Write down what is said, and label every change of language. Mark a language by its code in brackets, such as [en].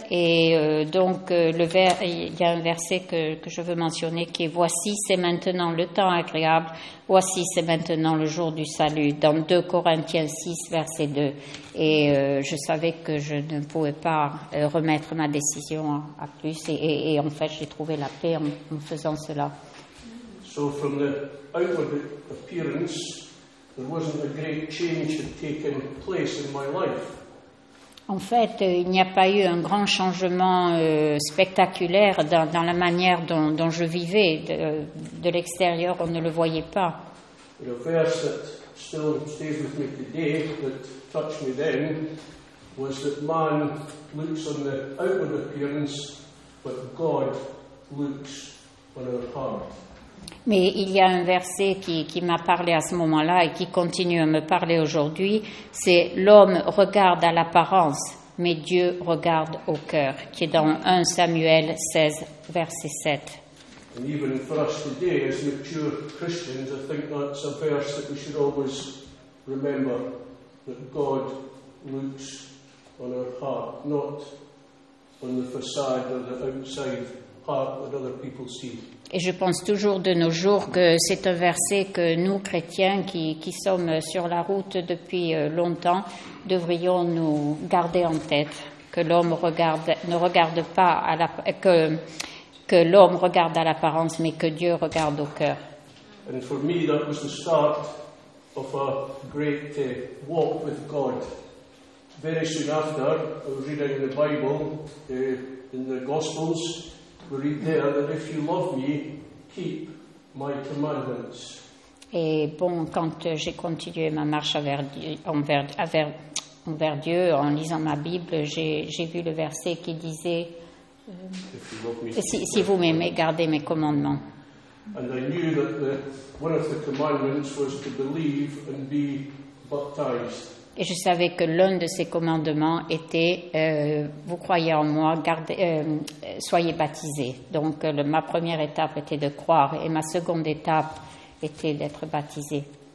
[fr] Et donc, il y a un verset que je veux mentionner qui est « Voici, c'est maintenant le temps agréable. Voici, c'est maintenant le jour du salut. » Dans 2 Corinthiens 6, verset 2. Et je savais que je ne pouvais pas remettre ma décision à plus. Et en fait, j'ai trouvé la paix en faisant cela. [en] So from the outward appearance, there wasn't a great change that taken place in my life. [fr] En fait, il n'y a pas eu un grand changement spectaculaire dans la manière dont je vivais. De l'extérieur, on ne le voyait pas. [en] The verse that still stays with me today, that touched me then, was that man looks on the outward appearance, but God looks on our heart. [fr] Mais il y a un verset qui m'a parlé à ce moment-là et qui continue à me parler aujourd'hui. C'est « L'homme regarde à l'apparence, mais Dieu regarde au cœur », qui est dans 1 Samuel 16, verset 7. [en] And even for us today, as mature Christians, I think that's a verse that we should always remember, that God looks on our heart, not on the facade or the outside heart that other people see. [fr] Et je pense toujours de nos jours que c'est un verset que nous, chrétiens, qui sommes sur la route depuis longtemps, devrions nous garder en tête, que l'homme regarde à l'apparence, mais que Dieu regarde au cœur. [en] And for me, that was the start of a great walk with God. Very soon after, I was reading the Bible, in the Gospels, we read there that if you love me, keep my commandments. [fr] Et bon, quand j'ai continué ma marche envers Dieu, en lisant ma Bible, j'ai vu le verset qui disait si vous m'aimez, gardez mes commandements. [en] And I knew that one of the commandments was to believe and be baptized. [fr] Et je savais que l'un de ses commandements était « Vous croyez en moi, soyez baptisés ». Donc ma première étape était de croire et ma seconde étape était d'être baptisé.